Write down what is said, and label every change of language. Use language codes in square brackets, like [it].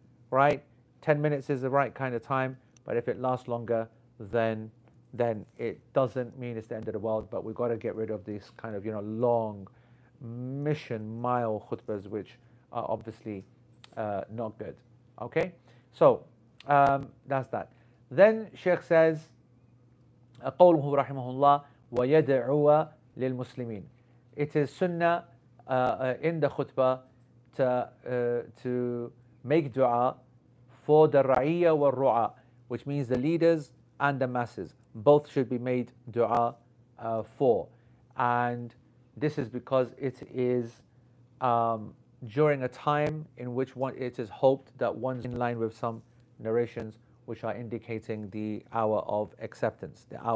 [en] Right, 10 minutes is the right kind of time, but if it lasts longer, then it doesn't mean it's the end of the world. But we've got to get rid of these kind of, you know, long mission mile khutbahs, which are obviously not good. Okay, so that's that. Then Sheikh says, [ar] قَوْلُهُ رَحِمَهُ اللَّهُ وَيَدْعُوَ لِلْمُسْلِمِينَ. [en] It is sunnah in the khutbah to make dua for the ra'iyya wa ru'a, which means the leaders and the masses. Both should be made dua for. And this is because it is during a time in which it is hoped that one's in line with some narrations which are indicating the hour of acceptance.